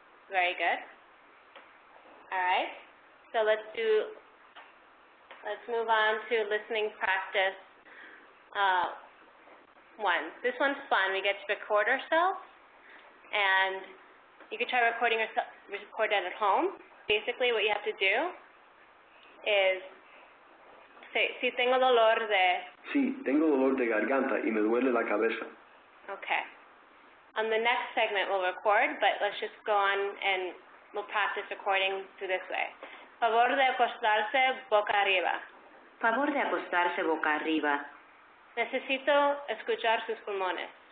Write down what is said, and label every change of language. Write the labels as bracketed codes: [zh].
[en] Very good. All right. So let's move on to listening practice one. This one's fun. We get to record ourselves, and you can try recording yourself, record it at home. Basically, what you have to do is say, [es] si tengo dolor de... Si, tengo dolor de garganta y me duele la cabeza. [en] Okay. On the next segment, we'll record, but let's just go on and we'll practice recording through this way. [es] Favor de acostarse boca arriba. Favor de acostarse boca arriba. Necesito escuchar sus pulmones.